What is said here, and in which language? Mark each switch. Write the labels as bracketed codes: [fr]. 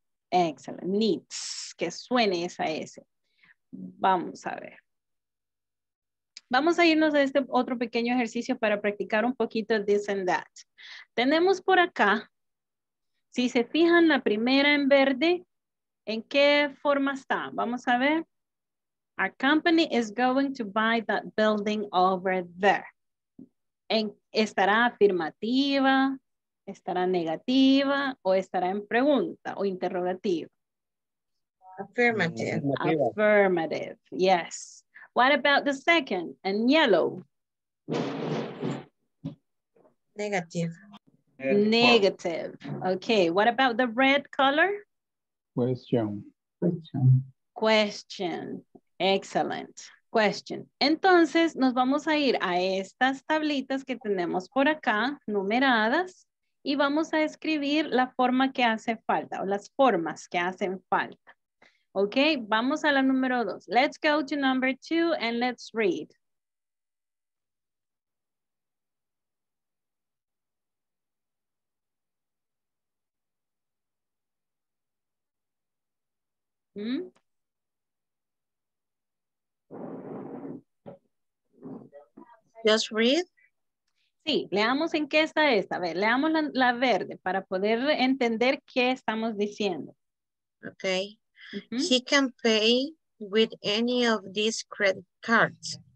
[en] Excellent. Needs. [es] Que suene esa S. Vamos a ver. Vamos a irnos a este otro pequeño ejercicio para practicar un poquito [en] this and that. [es] Tenemos por acá, si se fijan la primera en verde, ¿en qué forma está? Vamos a ver. [en] Our company is going to buy that building over there. [es] ¿Estará afirmativa? ¿Estará negativa? ¿O estará en pregunta o interrogativa? [en] Affirmative. Affirmative, yes. What about the second in yellow? Negative. Negative. Okay, what about the red color? Question. Question. Excellent. Question. [es] Entonces, nos vamos a ir a estas tablitas que tenemos por acá, numeradas, y vamos a escribir la forma que hace falta, o las formas que hacen falta. Okay, vamos a la número dos. [en] Let's go to number two and let's read. Just read. [es] Sí, leamos en qué está esta. A ver, leamos la verde para poder entender qué estamos diciendo. [en] Okay. He can pay with any of these credit cards.